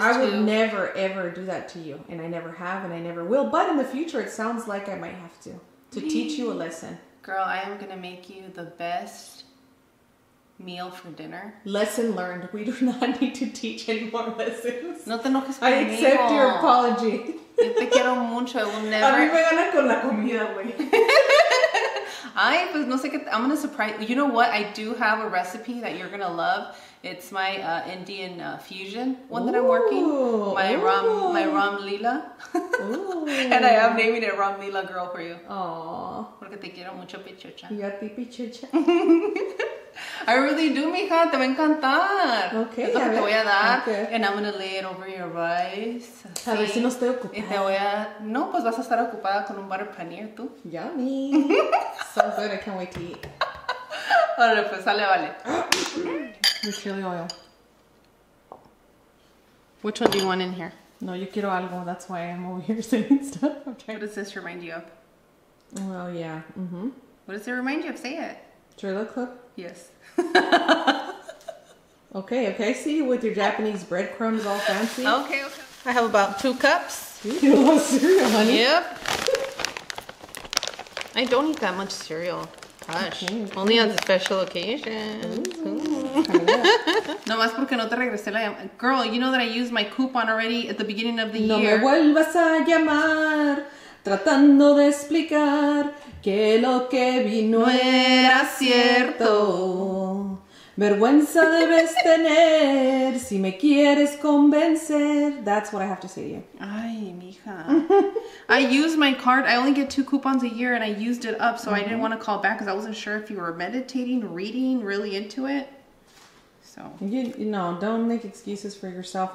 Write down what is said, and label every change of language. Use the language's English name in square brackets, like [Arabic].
[English] I would never, ever do that to you, and I never have, and I never will. But in the future, it sounds like I might have to teach you a lesson. Girl, I am gonna make you the best meal for dinner. Lesson learned. We do not need to teach any more lessons. [Spanish] No te enojes conmigo. [English] I accept your apology. [Spanish] Yo te quiero mucho, [English] I will never... [Spanish] A mí me gana con la comida, güey. Ay, pues no sé qué... [English] I'm gonna surprise... You know what? I do have a recipe that you're gonna love. It's my Indian fusion one. Ooh, that I'm working. My Ram Lila. Ooh. And I am naming it Ram Lila Girl for you. Aww. [Spanish] Porque te quiero mucho, pichocha. Y a ti, pichocha. [English] I really do, [Spanish] mija. Te va a encantar. [English] Okay. [Spanish] Eso que te voy a dar. [English] Okay. And I'm going to lay it over your rice. [Spanish] A ver si no estoy ocupada. Y te voy a... No, pues vas a estar ocupada con un butter paneer, tú. [English] Yummy. So good. I can't wait to eat. [Spanish] Órale, pues sale, vale. [English] The chili oil. Which one do you want in here? Mm. [Spanish] No, yo quiero algo. [English] That's why I'm over here saying stuff. Okay. What does this remind you of? Well, yeah. Mm-hmm. What does it remind you of? Say it. Trailer Club? Yes. Okay, okay. See you with your Japanese breadcrumbs all fancy. Okay, okay. I have about 2 cups. You want cereal, honey? Yep. I don't eat that much cereal. Gosh. Okay. Only on special occasions. [Spanish] No más porque no te regresé la llamada. [English] Girl, you know that I used my coupon already at the beginning of the year. [Spanish] No me vuelvas a llamar, tratando de explicar que lo que vino era cierto. Vergüenza debes tener si me quieres convencer. [English] That's what I have to say to you. [Spanish] Ay, mija. [English] I used my card. I only get 2 coupons a year and I used it up, so mm-hmm. I didn't want to call back because I wasn't sure if you were meditating, reading, really into it. So. You know, don't make excuses for yourself.